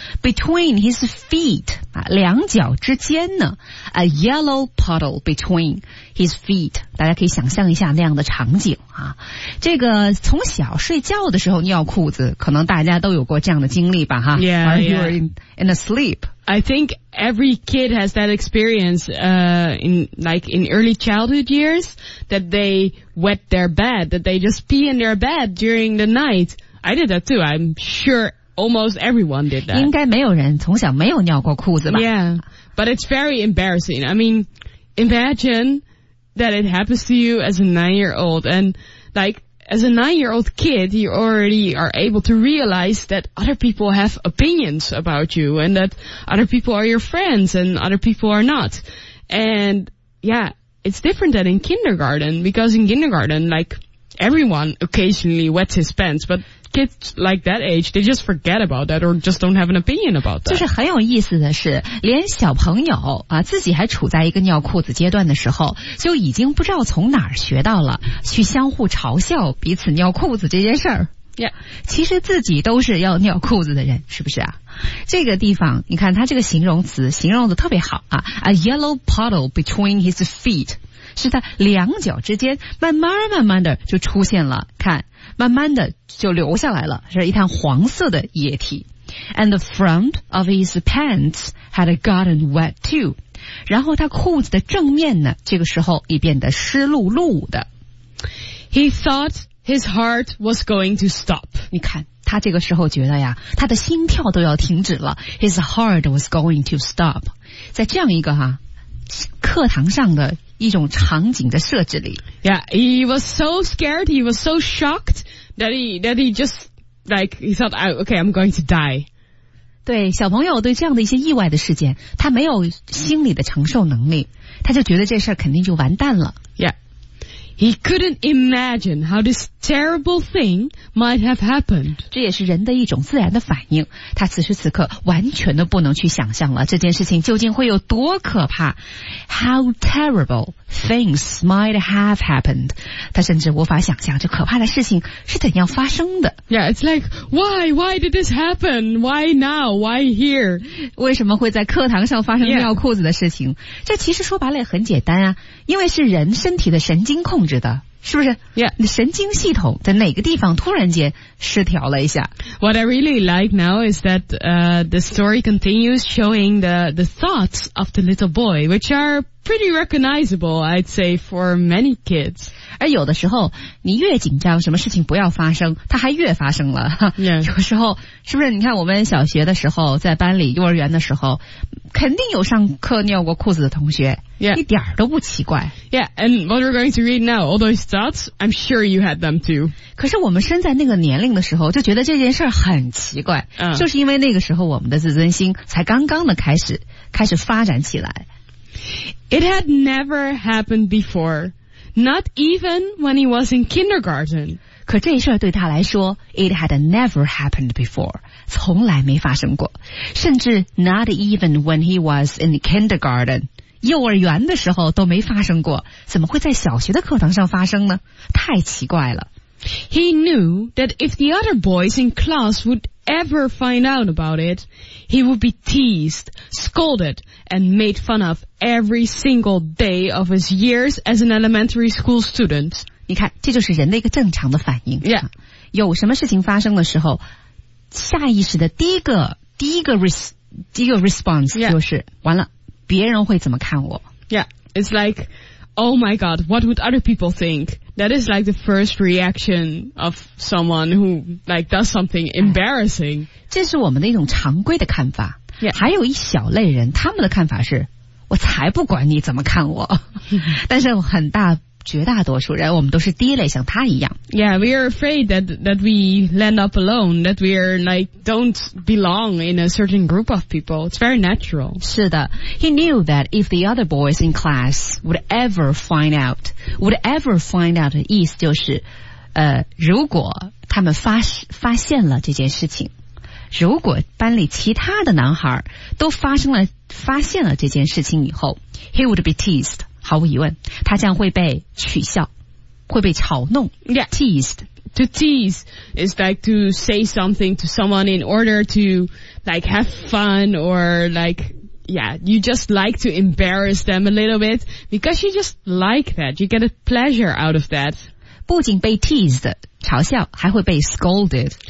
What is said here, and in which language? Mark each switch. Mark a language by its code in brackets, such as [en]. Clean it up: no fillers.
[en] Between his feet, [zh] 啊，两脚之间呢 [en] ，a yellow puddle between his feet. [zh] 大家可以想象一下那样的场景啊。这个从小睡觉的时候尿裤子，可能大家都有过这样的经历吧，哈。 [en] Yeah, while you're in a sleep. I think every kid has that experience, in early childhood years, that they wet their bed, that they just pee in their bed during the night. I did that too. I'm sure almost everyone did that. [zh] 应该没有人从小没有尿过裤子吧。 [en] Yeah. But it's very embarrassing. I mean, imagine that it happens to you as a 9-year-old and like,As a 9-year-old kid, you already are able to realize that other people have opinions about you and that other people are your friends and other people are not. And yeah, it's different than in kindergarten because in kindergarten, like everyone occasionally wets his pants, but kids like that age, they just forget about that or just don't have an opinion about that. [zh] 就是很有意思的是连小朋友啊自己还处在一个尿裤子阶段的时候就已经不知道从哪儿学到了去相互嘲笑彼此尿裤子这件事儿。 [en] Yeah. [zh] 其实自己都是要尿裤子的人是不是啊这个地方你看他这个形容词形容的特别好啊 , [en] a yellow puddle between his feet, [zh] 是在两脚之间慢慢慢慢的就出现了看慢慢的就流下来了是一滩黄色的液体 [en] And the front of his pants had gotten wet too [zh] 然后他裤子的正面呢这个时候也变得湿漉漉的 [en] He thought his heart was going to stop [zh] 你看他这个时候觉得呀，他的心跳都要停止了。 [en] His heart was going to stop. [zh] 在这样一个哈课堂上的一种场景的设置里。 [en] Yeah, he was so scared, he was so shocked that he just like, he thought, okay, I'm going to die. [zh] 对，小朋友对这样的一些意外的事件，他没有心理的承受能力，他就觉得这事儿肯定就完蛋了。 [en] Yeah. He couldn't imagine how this terrible thing might have happened. [zh] 这也是人的一种自然的反应。他此时此刻完全都不能去想象了这件事情究竟会有多可怕。 [en] How terrible things might have happened. [zh] 他甚至无法想象这可怕的事情是怎样发生的。 [en] Yeah, it's like, why did this happen? Why now? Why here? [zh] 为什么会在课堂上发生尿裤子的事情、 [en] yeah. [zh] 这其实说白了很简单啊，因为是人身体的神经控制的，是不是？ [en] Yeah. [zh] 神经系统在哪个地方突然间失调了一下。 [en] What I really like now is that, the story continues showing the thoughts of the little boy, which are pretty recognizable, I'd say, for many kids. [zh] 而有的时候你越紧张什么事情不要发生，它还越发生了。 [en] Yeah. [zh] 有时候是不是你看我们小学的时候在班里幼儿园的时候肯定有上课尿过裤子的同学。 [en] Yeah. [zh] 一点都不奇怪。 [en] Yeah, and what we're going to read now, all those thoughts, I'm sure you had them too. [zh] 可是我们身在那个年龄的时候就觉得这件事很奇怪。就是因为那个时候我们的自尊心才刚刚的开始发展起来。 [en] It had never happened before, not even when he was in kindergarten. [zh] 可这事儿对他来说 , [en] it had never happened before, [zh] 从来没发生过。甚至 [en] not even when he was in kindergarten, [zh] 幼儿园的时候都没发生过，怎么会在小学的课堂上发生呢？太奇怪了。 [en] He knew that if the other boys in class would ever find out about it, he would be teased, scolded, and made fun of every single day of his years as an elementary school student. [zh] 你看，这就是人的一个正常的反应。 [en] Yeah. [zh] 有什么事情发生的时候，下意识的第一个 response、 [en] yeah. [zh] 就是，完了，别人会怎么看我？ [en] Yeah, it's like, oh my god, what would other people think? That is like the first reaction of someone who like does something embarrassing. [zh] 这是我们的一种常规的看法。 [en] Yeah. [zh] 还有一小类人，他们的看法是，我才不管你怎么看我。但是很大，绝大多数人，我们都是第一类，像他一样。 [en] Yeah, we are afraid that we land up alone, that we are like don't belong in a certain group of people. It's very natural. [zh] 是的。 [en] He knew that if the other boys in class would ever find out, [zh] would ever find out 的意思就是如果他们发现了这件事情，如果班里其他的男孩都发现了这件事情以后， [en] he would be teased. [zh] 毫无疑问，他将会被取笑，会被嘲弄。 [en] Yeah. Teased. To tease is like to say something to someone in order to like have fun or like, yeah, you just like to embarrass them a little bit because you just like that. You get a pleasure out of that. [zh] 不仅被 teased, 嘲笑，还会被 scolded.